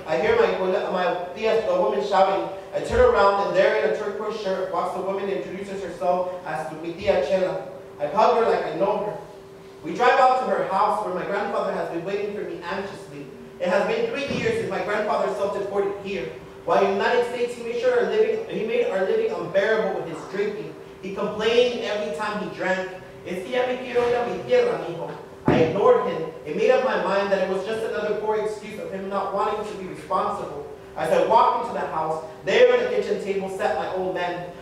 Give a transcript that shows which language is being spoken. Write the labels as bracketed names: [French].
[English] I hear my tia, a woman, shouting. I turn around, and there in a turquoise shirt walks a woman and introduces herself as [Spanish] mi tia [English] Chela. I hug her like I know her. We drive out to her house where my grandfather has been waiting for me anxiously. It has been 3 years since my grandfather self-deported here. While in the United States, he made our living unbearable with his drinking. He complained every time he drank. [Spanish] Es que ya me quiero ir a mi tierra, mijo. [English] I ignored him and made up my mind that it was just another poor excuse of him not wanting to be responsible. As I walk into the house, there at the kitchen table sat my old man.